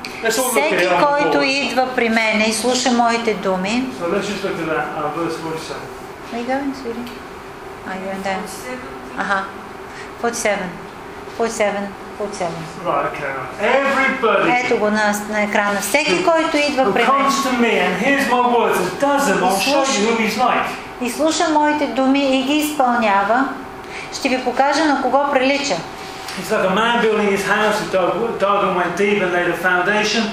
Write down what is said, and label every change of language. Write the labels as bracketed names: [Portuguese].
[Bulgarian] Всеки, който идва при мен и слуша моите думи. [English] So let's just look at that, verse 47. Where you going, sweetie? Are you in there? 47. 47. 47. Everybody. [Bulgarian] Ето го на екрана. Всеки, който идва при мен. [English] Comes to me and hears my words and does them, I'll show you who he's like. [Bulgarian] И слуша моите думи и ги изпълнява, ще ви покажа на кого прилича. [English] It's like a man building his house, dug and went deep and laid a foundation.